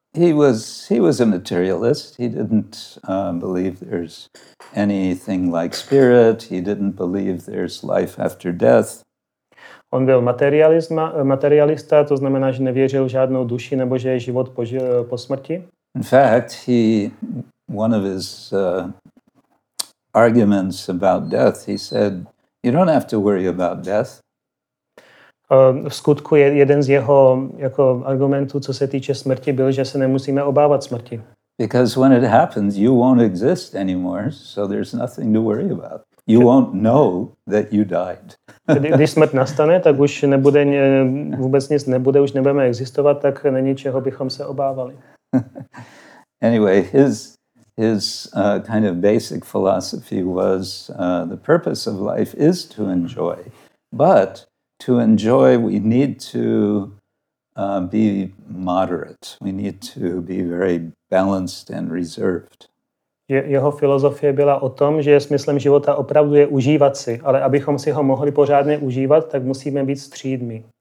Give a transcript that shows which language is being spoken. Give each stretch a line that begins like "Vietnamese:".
English: He was a materialist. He didn't believe there's anything like spirit. He didn't believe there's life after death.
Czech: On byl materialista, to znamená, že nevěřil v žádnou duši nebo že je život po smrti.
English: In fact, one of his arguments about death, he said, you don't have to worry about death.
Czech: V skutku jeden z jeho jako argumentů, co se týče smrti, byl, že se nemusíme obávat smrti.
English: Because when it happens, you won't exist anymore, so there's nothing to worry about. You won't know that you died.
Czech: Když smrt nastane, tak už nebude, vůbec nic nebude, už nebudeme existovat, tak není čeho bychom se obávali.
English: Anyway, his kind of basic philosophy was the purpose of life is to enjoy, but to enjoy, we need to be moderate. We need to be very balanced and reserved.
Czech: Jeho filozofie byla o tom, že smyslem života opravdu je užívat si, ale abychom si ho mohli pořádně užívat, tak musíme být střídmi.